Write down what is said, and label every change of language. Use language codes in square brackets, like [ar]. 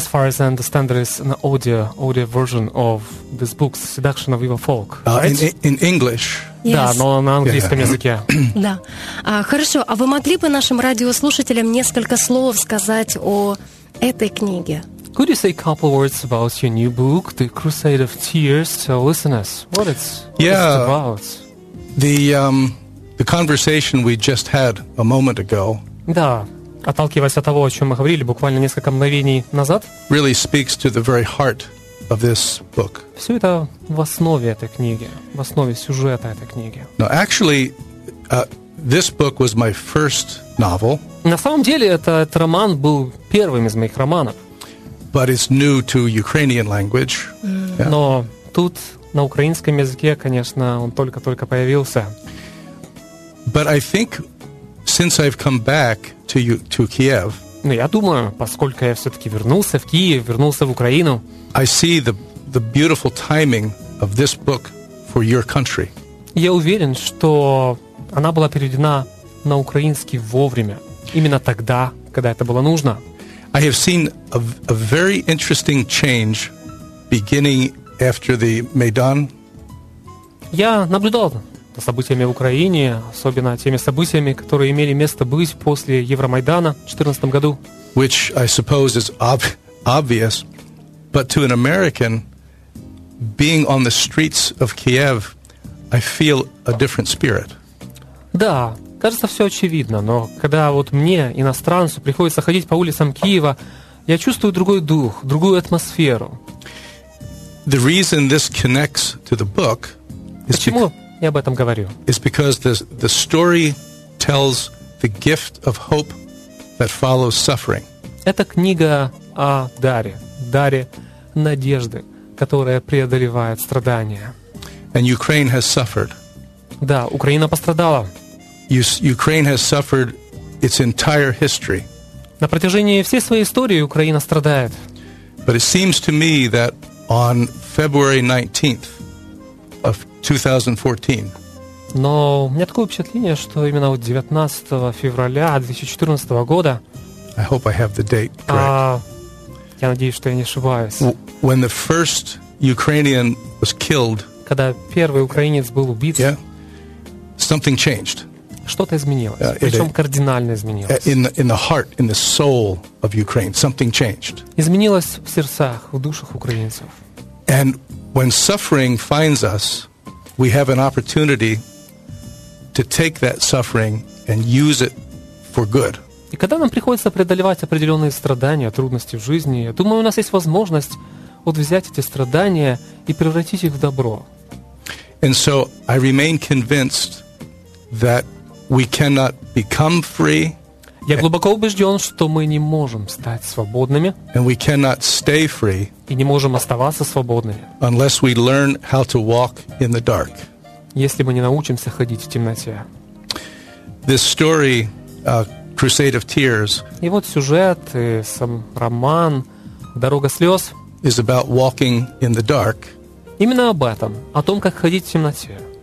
[en] As far as I understand, there is an audio version of this book, Seduction of Eva Folk, right? In English. Yes. [ru] Да, но на английском языке. Да. Хорошо, а вы могли бы нашим радиослушателям несколько слов сказать о этой книге? [en] Could you say a couple words about your new book, The Crusade of Tears, to listeners? What it's about? The conversation we just had a moment ago. [ru] Да, отталкиваясь от того, о чем мы говорили буквально несколько мгновений назад. [en] Really speaks to the very heart of this book. [ru] Все это в основе этой книги, в основе сюжета этой книги. [en] No, actually, this book was my first novel. [ru] На самом деле, этот роман был первым из моих романов. [en] But it's new to Ukrainian language. Yeah. [ru] Но тут на украинском языке, конечно, он только-только появился. [en] But I think since I've come back to Kiev. [ru] Но я думаю, поскольку я все-таки вернулся в Киев, вернулся в Украину. [en] I see the beautiful timing of this book for your country. [ru] Я уверен, что она была переведена на украинский вовремя, именно тогда, когда это было нужно. [en] I have seen a very interesting change beginning after the Maidan. [ru] Я наблюдал за событиями в Украине, особенно теми событиями, которые имели место быть после Евромайдана в 2014 году. [en] Which I suppose is obvious, but to an American, being on the streets of Kiev, I feel a different spirit. [ru] Да. Кажется, все очевидно, но когда вот мне, иностранцу, приходится ходить по улицам Киева, я чувствую другой дух, другую атмосферу. [en] The reason this connects to the book is [ru] почему я об этом говорю? [en] Is because the story tells the gift of hope that follows suffering. [ru] Это книга о даре, даре надежды, которая преодолевает страдания. [en] And Ukraine has suffered. [ru] Да, Украина пострадала. [en] Ukraine has suffered its entire history. [ru] На протяжении всей своей истории Украина страдает. [en] But it seems to me that on February 19th of 2014. [ru] Но у меня такое впечатление, что именно вот 19 февраля 2014 года. [en] I hope I have the date correct. [ru] Я надеюсь, что я не ошибаюсь. [en] When the first Ukrainian was killed. [ru] Когда первый украинец был убит. [en] Yeah, something changed. [ru] Что-то изменилось, причем кардинально изменилось. [en] In the heart, in the soul of Ukraine, something changed. [ru] Изменилось в сердцах, в душах украинцев. [en] And when suffering finds us, we have an opportunity to take that suffering and use it for good. [ru] И когда нам приходится преодолевать определенные страдания, трудности в жизни, я думаю, у нас есть возможность вот взять эти страдания и превратить их в добро. [en] And so I remain convinced that we cannot become free. [ru] Я глубоко убежден, что мы не можем стать свободными. [en] And we cannot stay free. [ru] И не можем оставаться свободными. [en] Unless we learn how to walk in the dark. [ru] Если мы не научимся ходить в темноте. [en] This story, Crusade of Tears. [ru] И вот сюжет, и сам роман «Дорога слез». [en] Is about walking in the dark. [ru] Именно об этом, о том, как ходить в темноте.